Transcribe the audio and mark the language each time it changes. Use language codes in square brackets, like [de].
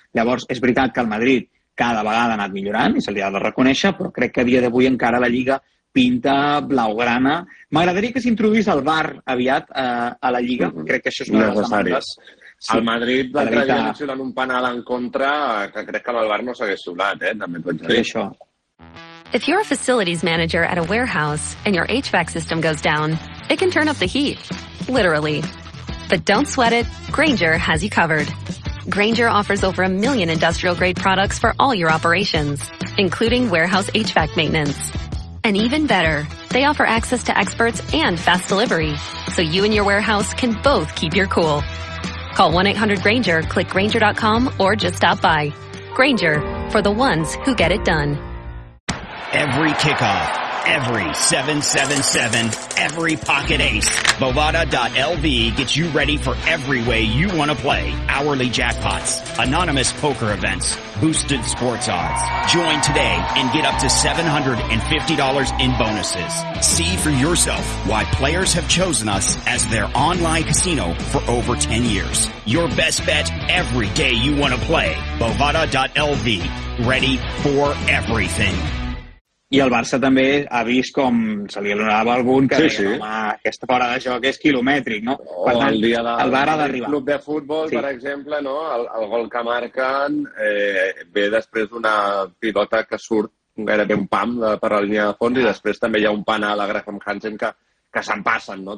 [ca] Llavors, és veritat que el Madrid cada vegada ha anat millorant i se li ha de reconèixer, però crec que a dia d'avui encara la Lliga pinta blaugrana. M'agradaria que s'introduís el VAR aviat a la Lliga. Crec que això és una de les demandes. El Madrid va treure un penal en contra que crec que el VAR no s'hagués solat, eh? També pot ser. Sí, això. [en] If you're a facilities manager at a warehouse and your HVAC system goes down, it can turn up the heat, literally. But don't sweat it. Grainger has you covered. Grainger offers over a million industrial-grade products for all your operations, including warehouse HVAC maintenance. And even better, they offer access to experts and fast delivery, so you and your warehouse can both keep your cool. Call 1-800-GRAINGER, click Grainger.com, or just stop by. Grainger, for the ones who get it done. Every kickoff, every 777, every pocket ace. Bovada.lv gets you ready for every way you want to play. Hourly jackpots, anonymous poker events, boosted sports odds. Join today and get up to $750 in bonuses. See for yourself why players have chosen us as their online casino for over 10 years. Your best bet every day you want to play. Bovada.lv. Ready for everything. [ca] I el Barça també ha vist com se li donava algun que deia, home, aquesta fora de joc és quilomètric, no? Per tant, el Barça ha d'arribar. El club de futbol, sí. Per exemple, no? El gol que marquen ve després d'una pilota que surt gairebé un pam per la línia de fons i després també hi ha un penal a Graham Hansen que se'n passen, no?